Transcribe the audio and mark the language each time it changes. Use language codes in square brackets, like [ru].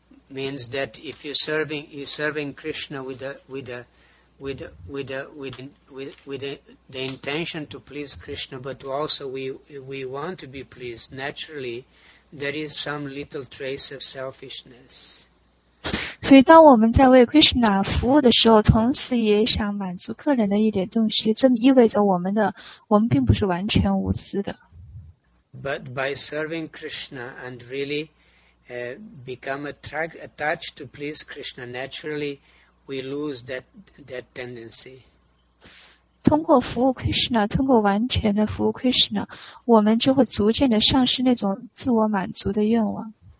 [en] Means that if you're serving Krishna with the intention to please Krishna, but also we want to be pleased, naturally, there is some little trace of selfishness. [zh] 所以当我们在为 Krishna 服务的时候，同时也想满足个人的一点东西，这意味着我们并不是完全无私的。 [en] But by serving Krishna and really become attached to please Krishna, naturally we lose that tendency. [zh] 通过服务 Krishna, 通过完全的服务 Krishna, 我们就会逐渐的丧失那种自我满足的愿望。